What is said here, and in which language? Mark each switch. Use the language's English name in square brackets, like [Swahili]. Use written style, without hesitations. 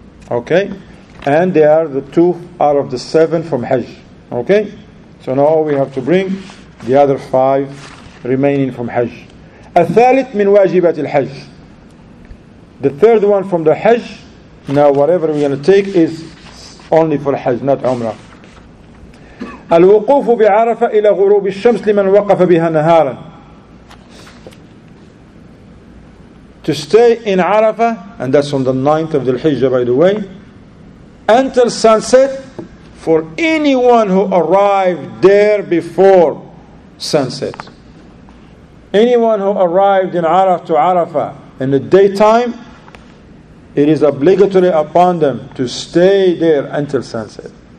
[English] Okay, and they are the two out of the seven from Hajj. Okay, so now we have to bring the other five remaining from Hajj. [Arabic] الثالث من واجبات الحج. [English] The third one from the Hajj. Now whatever we're going to take is only for Hajj, not Umrah. [Arabic] الوقوف بعرفة إلى غروب الشمس لمن وقف بها نهارا. [English] To stay in Arafah, and that's on the 9th of the Hijjah, by the way, until sunset, for anyone who arrived there before sunset. Anyone who arrived in Arafah in the daytime, it is obligatory upon them to stay there until sunset.